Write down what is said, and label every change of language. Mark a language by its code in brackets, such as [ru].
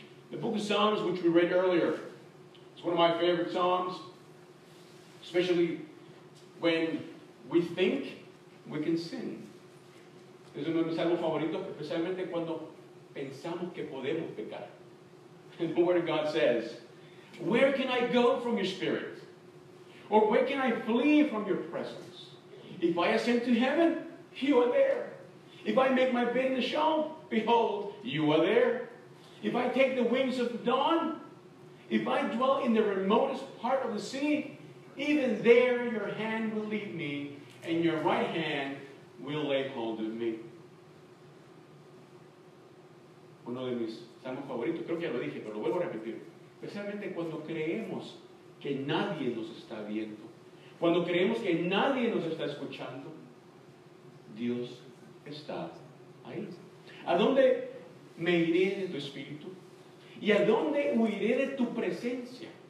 [en] The book of Psalms, which we read earlier, it's one of my favorite Psalms, especially when we think we can sing. [es] Es uno de mis salmos favoritos, especialmente cuando pensamos que podemos pecar. [en] And the Word of God says, where can I go from your spirit? Or where can I flee from your presence? If I ascend to heaven, you are there. If I make my bed in the Sheol, behold, you are there. If I take the wings of dawn, if I dwell in the remotest part of the sea, even there your hand will lead me, and your right hand will lay hold of me. [es] Uno de mis salmos favoritos, creo que ya lo dije, pero lo vuelvo a repetir. Especialmente cuando creemos que nadie nos está viendo, cuando creemos que nadie nos está escuchando, Dios está ahí. ¿A dónde me iré de tu espíritu? ¿Y a dónde huiré de tu presencia?